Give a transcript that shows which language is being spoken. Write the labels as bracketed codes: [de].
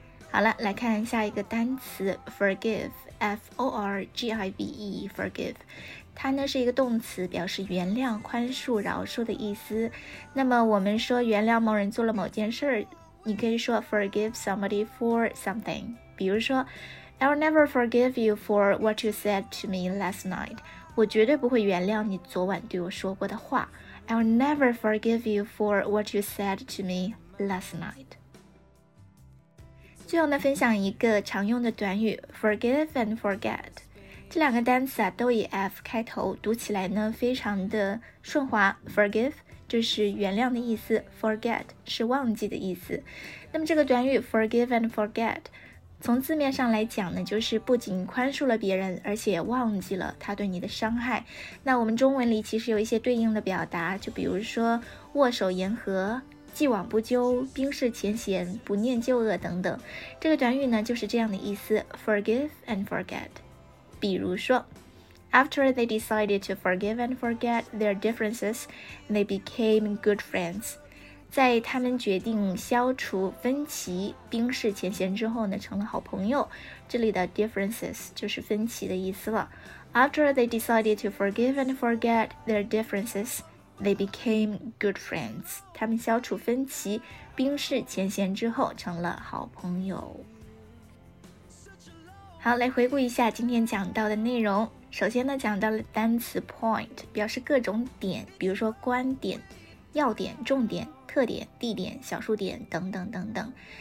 [zh] 好了，来看下一个单词 forgive, F-O-R-G-I-V-E, forgive, 它呢是一个动词，表示原谅、宽恕、饶恕的意思。那么我们说原谅某人做了某件事，你可以说 [en] forgive somebody for something, [zh] 比如说 [en] I'll never forgive you for what you said to me last night. [zh] 我绝对不会原谅你昨晚对我说过的话。 [en] I'll never forgive you for what you said to me last night. [zh] 最后呢，分享一个常用的短语 forgive and forget. 这两个单词啊，都以 F 开头，读起来呢，非常的顺滑。 Forgive 就是原谅的意思 ，forget 是忘记的意思。那么这个短语 forgive and forget。从字面上来讲呢，就是不仅宽恕了别人，而且忘记了他对你的伤害。那我们中文里其实有一些对应的表达，就比如说握手言和、既往不咎、冰释前嫌、不念旧恶等等。这个短语呢就是这样的意思 forgive and forget。比如说 [en] After they decided to forgive and forget their differences, they became good friends. [zh] 在他们决定消除分歧、冰释前嫌之后呢，成了好朋友。这里的 differences 就是分歧的意思了。 [en] After they decided to forgive and forget their differences, they became good friends. [zh] 他们消除分歧、冰释前嫌之后成了好朋友。好，来回顾一下今天讲到的内容。首先呢，讲到了单词 point, 表示各种点，比如说观点、要点、重点、特点、地点、小数点等等等等。